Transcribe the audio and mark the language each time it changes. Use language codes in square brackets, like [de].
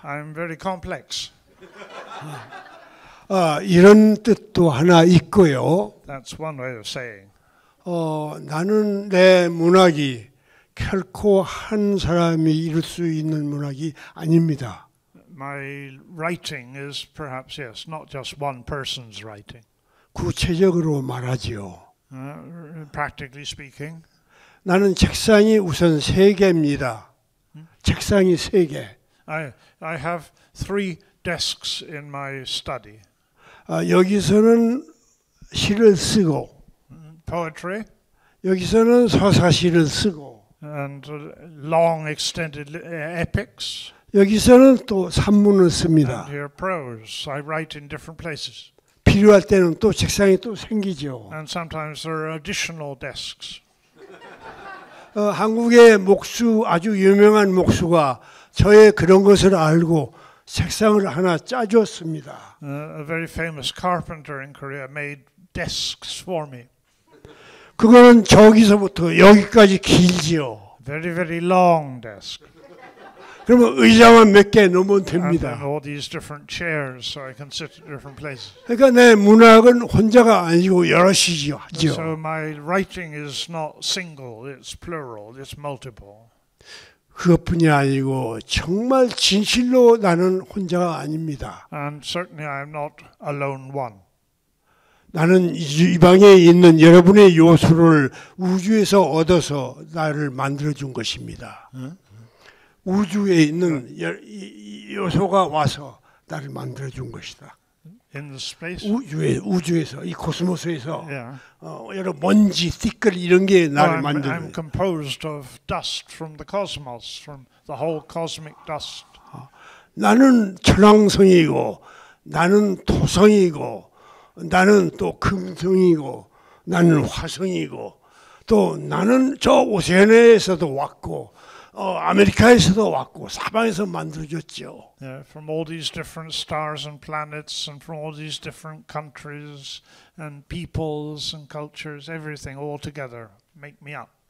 [en] I'm very complex. [ko] 이런 뜻도 하나 있고요. [en] That's one way of saying. [ko] 나는 내 문학이 결코 한 사람이 이룰 수 있는 문학이 아닙니다. [en] My writing is perhaps, yes, not just one person's writing. [ko] 구체적으로 말하지요. [en] Practically speaking, [ko] 나는 책상이 우선 세 개입니다. 책상이 세 개. [en] I have three desks in my study. [ko] 여기서는 시를 쓰고, [en] poetry. [ko] 여기서는 서사시를 쓰고, [en] and long extended epics. [ko] 여기서는 또 산문을 씁니다. [en] And here prose. I write in different places. [ko] 필요할 때는 또 책상이 또 생기죠. [en] And sometimes there are additional desks. [ko] 한국의 목수, 아주 유명한 목수가 저의 그런 것을 알고 책상을 하나 짜줬습니다. [en] A very famous carpenter in Korea made desks for me. [ko] 그거는 저기서부터 여기까지 길지요. [en] Very, very long desk. [ko] 그러면 의자만 몇 개 놓으면 됩니다. [en] And all these different chairs, so I can sit at different places. [ko] 그러니까 내 문학은 혼자가 아니고 여럿이죠. [en] So my writing is not single, it's plural, it's multiple. [ko] 그것뿐이 아니고 정말 진실로 나는 혼자가 아닙니다. [en] And certainly I'm not a lone one. [ko] 나는 이 방에 있는 여러분의 요소를 우주에서 얻어서 나를 만들어준 것입니다. 응? 우주에 있는 요소가 와서 나를 만들어준 것이다. [en] In the space? [ko] 우주에서, 이 코스모스에서 여러 먼지, 티끌 이런 게 나를 만들어. [en] I'm composed of dust from the cosmos, from the whole cosmic dust. [ko] 나는 천왕성이고, 나는 토성이고, 나는 또 금성이고, 나는 화성이고, 또 나는 저 오세네에서도 왔고, 아메리카에서도 왔고 사방에서 만들어졌죠. [en] Yeah, from all these different stars and planets and from all these different countries and peoples and cultures, everything all together make me up.